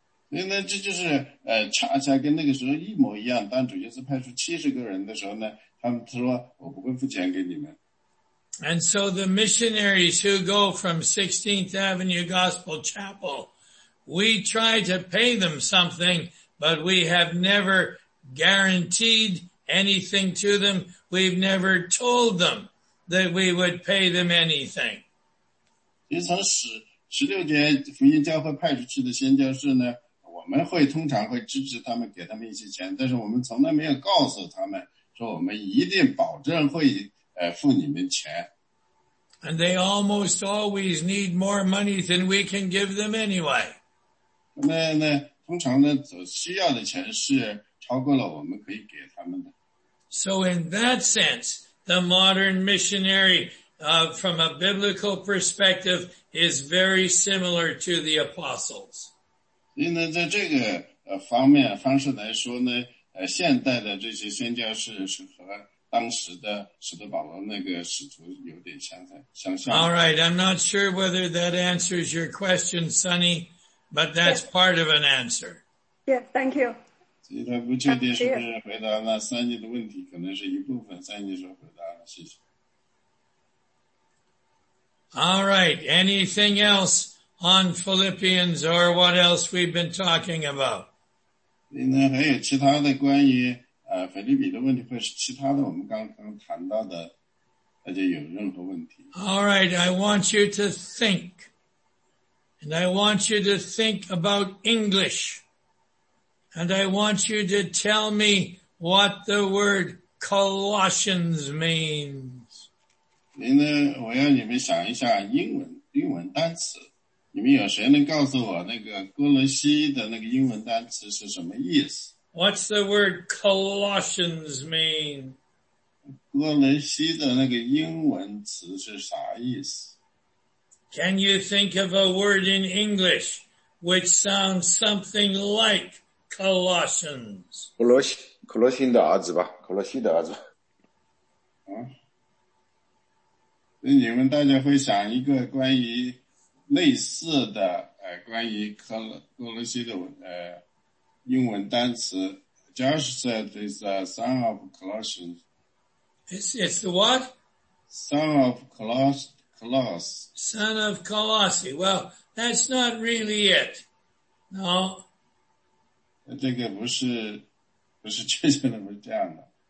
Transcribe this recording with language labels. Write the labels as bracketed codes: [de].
[zh] 所以呢，这就是恰恰跟那个时候一模一样。当主耶稣派出70个人的时候呢，他们说我不会付钱给你们。 [en] And so the missionaries who go from 16th Avenue Gospel Chapel, we try to pay them something, but we have never guaranteed anything to them. We've never told them that we would pay them anything. [zh] 其实从16节福音教会派出去的宣教士呢，我们会通常会支持他们，给他们一些钱，但是我们从来没有告诉他们说我们一定保证会付你们钱。 [en] And they almost always need more money than we can give them anyway. [zh] 那呢，通常呢，所需要的钱是超过了我们可以给他们的。 [en] So in that sense, the modern missionary, from a biblical perspective, is very similar to the apostles. [zh] 所以呢，在这个方面方式来说呢，现代的这些宣教士是和当时的使徒保罗那个使徒有点相像。 [en] All right, I'm not sure whether that answers your question, Sonny, but that's part of an answer. Yes, thank you. [zh] 所以他不确定是不是回答了三妮的问题，可能是一部分三妮说回答了，谢谢。 [en] All right, anything else on Philippians or what else we've been talking about? [zh] 那还有其他的关于腓立比的问题，或是其他的我们刚刚谈到的，大家有任何问题？ [en] All right, I want you to think. And I want you to think about English. And I want you to tell me what the word Colossians means. [zh] 您呢，我要你们想一下英文单词。你们有谁能告诉我那个哥伦西的那个英文单词是什么意思？ [en] What's the word Colossians mean? [zh] 哥伦西的那个英文词是啥意思？ [en] Can you think of a word in English which sounds something like Colossians? [zh] 克罗西的儿子吧，克罗西的儿子。那你们大家会想一个关于类似的，关于克罗西的文，英文单词。 [en] Josh said it's a son of Colossians. It's the what? Son of Colossians. Son of Colossi. Well, that's not really it. No. [zh] 这个不是确切的，不是这样的。